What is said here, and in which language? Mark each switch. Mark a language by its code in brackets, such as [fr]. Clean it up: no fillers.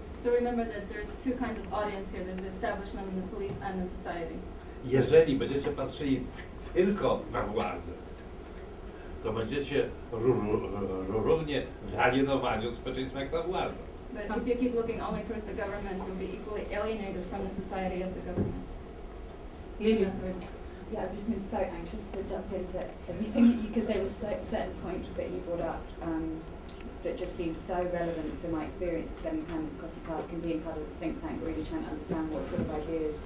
[en] So remember that there's two kinds of audience here. There's the establishment and the police and the society. [pl] Jeżeli będziecie patrzyli tylko na władzę, to będziecie równie zalienowani od społeczeństwa jak ta władza. [en] But if you keep looking only towards the government, you'll be equally alienated from the society as the government. Yeah, I've just been so anxious to jump into everything because there were certain points that you brought up that just seemed so relevant to my experience of spending time in Scotty Park and being part of the think tank, really trying to understand what sort of ideas.